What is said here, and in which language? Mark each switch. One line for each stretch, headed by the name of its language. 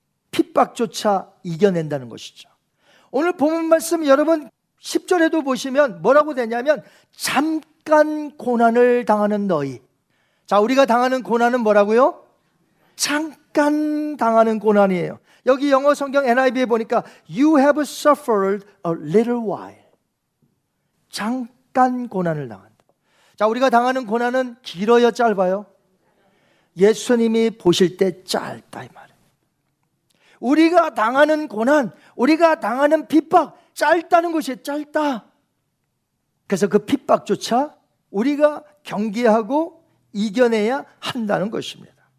Korean: 핍박조차 이겨낸다는 것이죠. 오늘 본문 말씀 여러분 10절에도 보시면 뭐라고 되냐면 잠깐 고난을 당하는 너희. 자, 우리가 당하는 고난은 뭐라고요? 잠깐 당하는 고난이에요. 여기 영어 성경 NIV에 보니까
English: You have suffered a little while.
Korean: 잠깐 고난을 당한다. 자, 우리가 당하는 고난은 길어요, 짧아요? 예수님이 보실 때 짧다, 이 말이에요. 우리가 당하는 고난, 우리가 당하는 핍박, 짧다는 것이 짧다. 그래서 그 핍박조차 우리가 경계하고 이겨내야 한다는 것입니다.